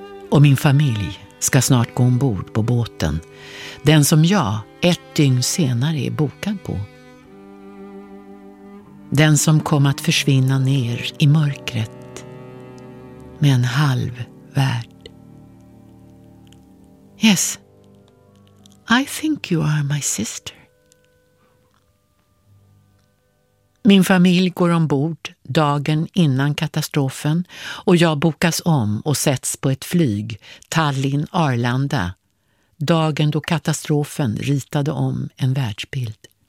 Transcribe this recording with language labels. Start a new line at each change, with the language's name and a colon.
Swedish: Och min familj ska snart gå ombord på båten. Den som jag ett dygn senare är bokad på. Den som kom att försvinna ner i mörkret med en halv värld.
English: Yes, I think you are my sister.
Swedish: Min familj går ombord dagen innan katastrofen och jag bokas om och sätts på ett flyg Tallinn-Arlanda. Dagen då katastrofen ritade om en världsbild.